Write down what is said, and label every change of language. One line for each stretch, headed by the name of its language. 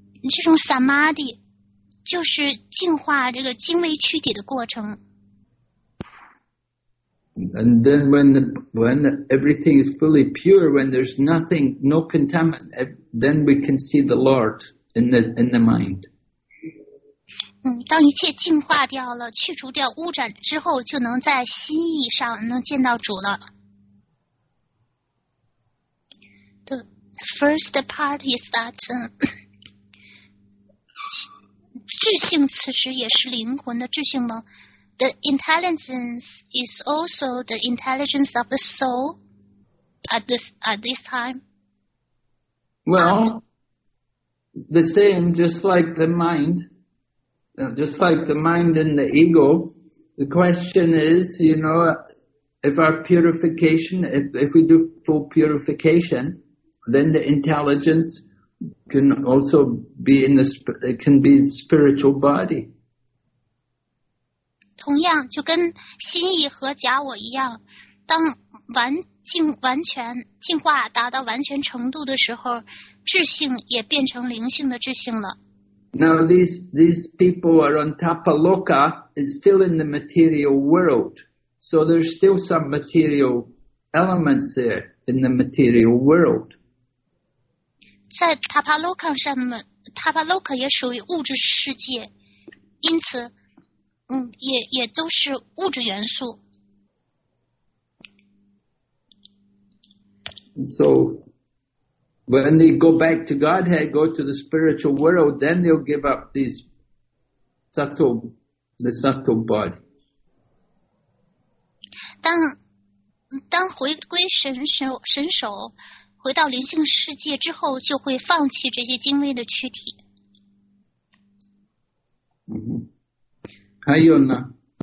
Chinese: 这种 samadhi 就是净化这个精微躯体的过程。
English: And then when everything is fully pure, when there's nothing, no contaminant, then we can see the Lord in the mind.
Chinese: 嗯，当一切净化掉了，去除掉污染之后，就能在心意上能见到主了。
English: The first part is that
Chinese: 智性此时也是灵魂的智性吗？
English: The intelligence is also the intelligence of the soul at this time. Well, the same, just like the mind. Just like the mind and the ego, the question is, you know, if our purification, if we do full purification, then the intelligence can also be in the, it can be the spiritual body.
Chinese: 同样，就跟心意和假我一样，当完全进化达到完全程度的时候，智性也变成灵性的智性了。
English: Now these people are on Tapaloka, is still in the material world. So there's still some material elements there in the material world.
Chinese: 在 Tapaloka 上面 ,Tapaloka 也属于物质世界。因此也都是物质元素。
English: So,When they go back to Godhead, go to the spiritual world, then they'll give up these subtle body.
Chinese: 当回归神手，回到灵性世界之后，就会放弃这些精微的躯体。嗯，还有呢？